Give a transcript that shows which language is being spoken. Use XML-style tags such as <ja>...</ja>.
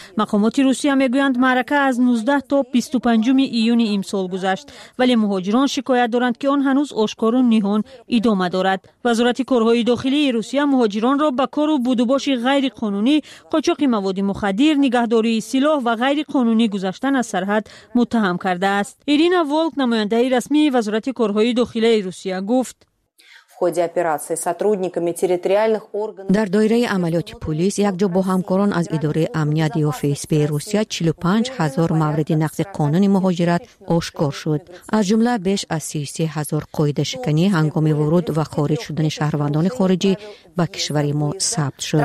<fa>مقامات روسیه میگویند معرکه از 19 تا 25 ایون امسال گذشت، ولی مهاجران شکایت دارند که آن هنوز آشکار و نهان ادامه دارد. وزارت کارهای داخلی روسیه مهاجران را به کار و بودوباش غیر قانونی، قاچاق مواد مخدر، نگهداری سلاح و غیر قانونی گذشتن از سرحد متهم کرده است. ایرینا وولک نماینده رسمی وزارت کارهای داخلی روسیه گفت</fa> <ru>ходе операции сотрудниками территориальных органов.</ru> <tg>Дар дойраи амалиёти полис якҷо бо ҳамкорон аз идораи амният ё ФСБ Русия 45000 мавриди нақзи қонуни муҳоҷират ошкор шуд. Аз ҷумла беш аз 33000 қоидашиканӣ ҳангоми вуруд ва хориҷ шудани шаҳрвандони хориҷӣ ба кишвари мо сабт шуд.</tg>